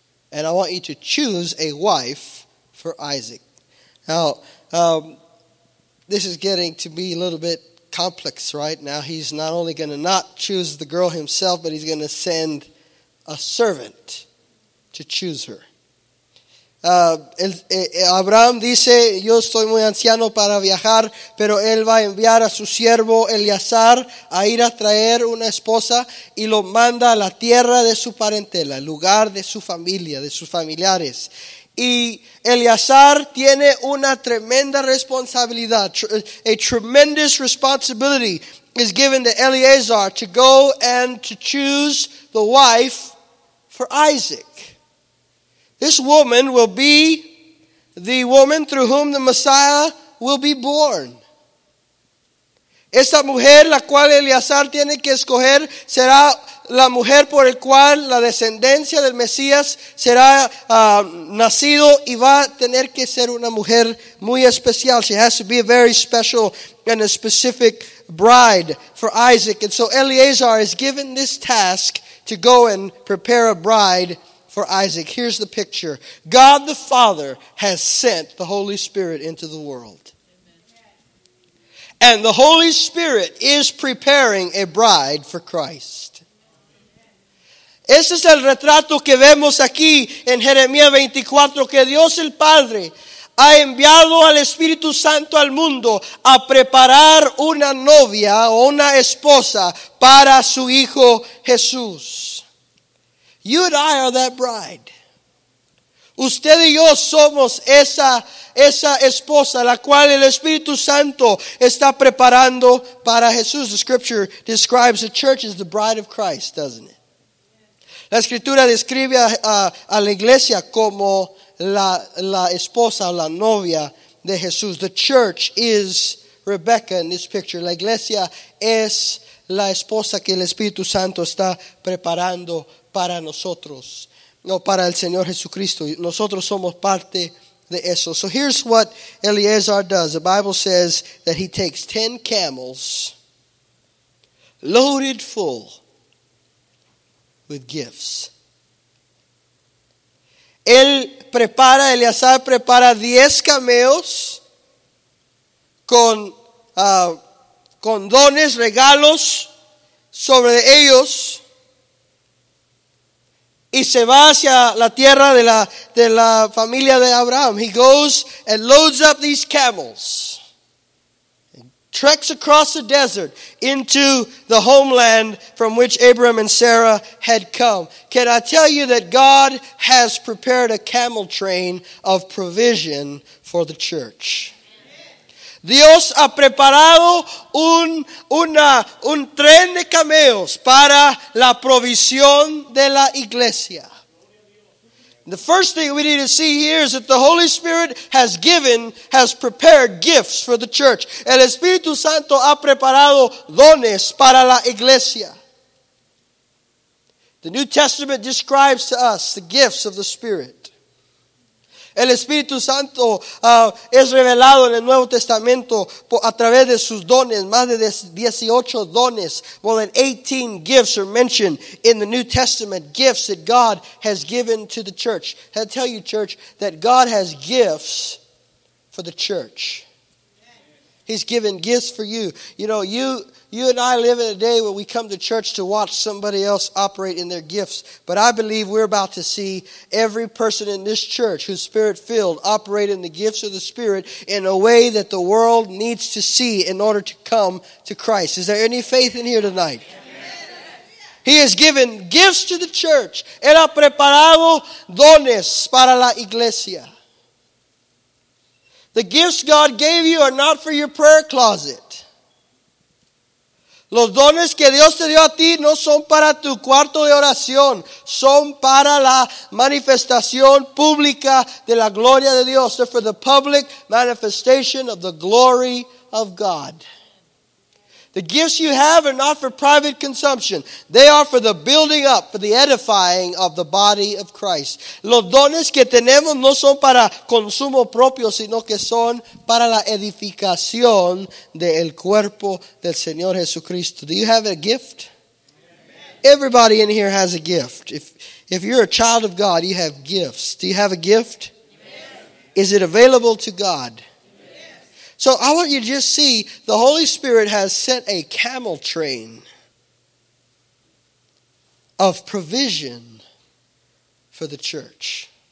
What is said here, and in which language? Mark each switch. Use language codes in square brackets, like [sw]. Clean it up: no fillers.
[en] And I want you to choose a wife for Isaac." Now, this is getting to be a little bit complex, right? Now, he's not only going to not choose the girl himself, but he's going to send a servant to choose her. [es] Abraham dice, "Yo estoy muy anciano para viajar, pero él va a enviar a su siervo Eleazar a ir a traer una esposa y lo manda a la tierra de su parentela, el lugar de su familia, de sus familiares." Y Eleazar tiene una tremenda responsabilidad, [en] a tremendous responsibility is given to Eleazar to go and to choose the wife for Isaac. This woman will be the woman through whom the Messiah will be born. [es] Esta mujer, la cual Eleazar tiene que escoger, será la mujer por el cual la descendencia del Mesías será nacido y va a tener que ser una mujer muy especial. [en] She has to be a very special and a specific bride for Isaac. And so Eleazar is given this task to go and prepare a bride for Isaac. Here's the picture. God the Father has sent the Holy Spirit into the world. And the Holy Spirit is preparing a bride for Christ. [es] Ese es el retrato que vemos aquí en Jeremías 24, que Dios el Padre ha enviado al Espíritu Santo al mundo a preparar una novia o una esposa para su Hijo Jesús. [en] You and I are that bride. [es] Usted y yo somos esa esposa la cual el Espíritu Santo está preparando para Jesús. [en] The scripture describes the church as the bride of Christ, doesn't it? [es] La escritura describe a la iglesia como la esposa o la novia de Jesús. [en] The church is Rebecca in this picture. [es] La iglesia es la esposa que el Espíritu Santo está preparando para nosotros, no para el Señor Jesucristo. Nosotros somos parte de eso. [en] So here's what Eleazar does. The Bible says that he takes 10 camels loaded full with gifts. [es] Eleazar prepara 10 camellos con dones, regalos sobre ellos, y se va hacia la tierra de la familia de Abraham. [en] He goes and loads up these camels, treks across the desert into the homeland from which Abraham and Sarah had come. Can I tell you that God has prepared a camel train of provision for the church? [es] Dios ha preparado un tren de camellos para la provisión de la iglesia. [en] The first thing we need to see here is that the Holy Spirit has prepared gifts for the church. [es] El Espíritu Santo ha preparado dones para la iglesia. [en] The New Testament describes to us the gifts of the Spirit. [es] El Espíritu Santo es revelado en el Nuevo Testamento a través de sus dones. Más de 18 dones. [en] More than 18 gifts are mentioned in the New Testament. Gifts that God has given to the church. I tell you, church, that God has gifts for the church. He's given gifts for you. You know, you and I live in a day where we come to church to watch somebody else operate in their gifts. But I believe we're about to see every person in this church who's Spirit-filled operate in the gifts of the Spirit in a way that the world needs to see in order to come to Christ. Is there any faith in here tonight? He has given gifts to the church. [es] Él ha preparado dones para la iglesia. [en] The gifts God gave you are not for your prayer closet. [es] Los dones que Dios te dio a ti no son para tu cuarto de oración. Son para la manifestación pública de la gloria de Dios. [en] They're for the public manifestation of the glory of God. The gifts you have are not for private consumption. They are for the building up, for the edifying of the body of Christ. [es] Los dones que tenemos no son para consumo propio, sino que son para la edificación del cuerpo del Señor Jesucristo. [en] Do you have a gift? Everybody in here has a gift. If you're a child of God, you have gifts. Do you have a gift? Is it available to God? So I want you to just see, the Holy Spirit has sent a camel train of provision for the church.